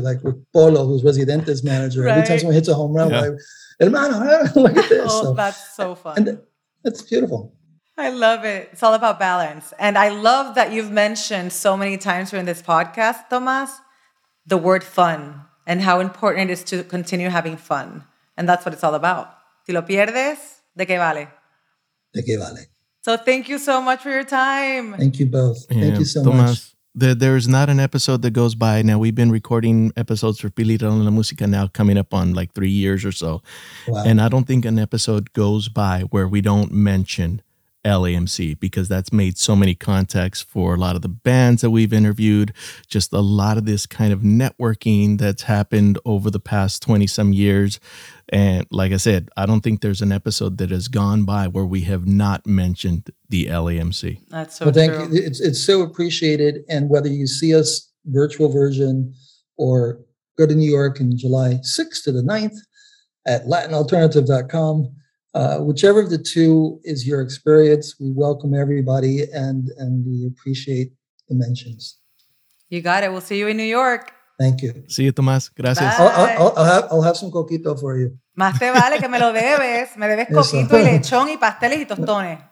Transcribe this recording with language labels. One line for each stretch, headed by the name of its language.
English: Like with Polo, who's Residente's manager. Right. Every time someone hits a home run, like, hermano, look at this. Oh, so, that's so fun. And it's beautiful. I love it. It's all about balance. And I love that you've mentioned so many times during this podcast, Tomas, the word fun and how important it is to continue having fun. And that's what it's all about.
Spanish: Si lo pierdes, ¿de qué vale?
English: So thank you so much for your time. Thank you both. Yeah. Thank you so Tomas, much. There is not an episode that goes by. Now, we've been recording episodes for Pili Raul en la Música now coming up on like 3 years or so. Wow. And I don't think an episode goes by where we don't mention LAMC, because that's made so many contacts for a lot of the bands that we've interviewed, just a lot of this kind of networking that's happened over the past 20 some years. And like I said, I don't think there's an episode that has gone by where we have not mentioned the LAMC. That's so thank true. You. It's so appreciated. And whether you see us virtual version or go to New York in July 6th to the 9th at latinalternative.com, whichever of the two is your experience, we welcome everybody and we appreciate the mentions. You got it. We'll see you in New York. Thank you. See you, Tomas.
Spanish: Gracias.
English: I'll have some coquito for you.
Spanish: Más te vale que me lo debes. Me debes coquito y lechón y pasteles y tostones.